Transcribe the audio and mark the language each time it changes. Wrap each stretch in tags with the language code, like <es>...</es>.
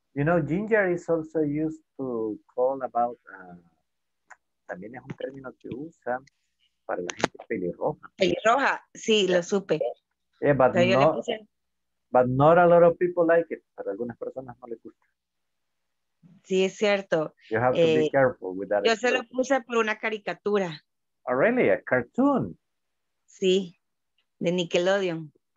<en>You know, ginger is also used to call about...</en> <es>también es un término que usa para la gente pelirroja. Pelirroja, sí, lo supe.</es> <en>Yeah, but not a lot of people like it.</en> <es>Para algunas personas no les gusta. Sí, es cierto.</es> <en>You have to be careful with that.</en> <es>Yo se lo puse por una caricatura.</es> <en>Oh, really? A cartoon?</en> <es>Sí, de Nickelodeon.</es>